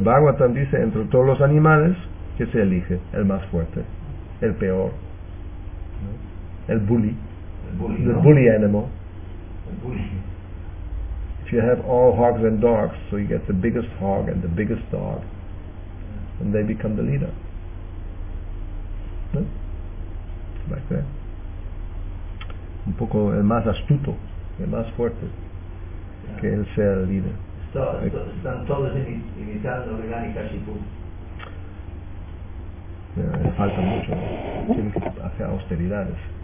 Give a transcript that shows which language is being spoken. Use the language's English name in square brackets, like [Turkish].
[Spanish] Bhagavatam dice, entre todos los animales, que se elige el más fuerte, el peor, el bully. El bully animal. [English] If you have all hogs and dogs, so you get the biggest hog and the biggest dog, and they become the leader. Like that. [Spanish] Un poco el más astuto, el más fuerte, yeah. Que él sea el líder. Están todos imitando a Gani Kashyapu. Falta mucho, ¿no? Tienen que hacer austeridades.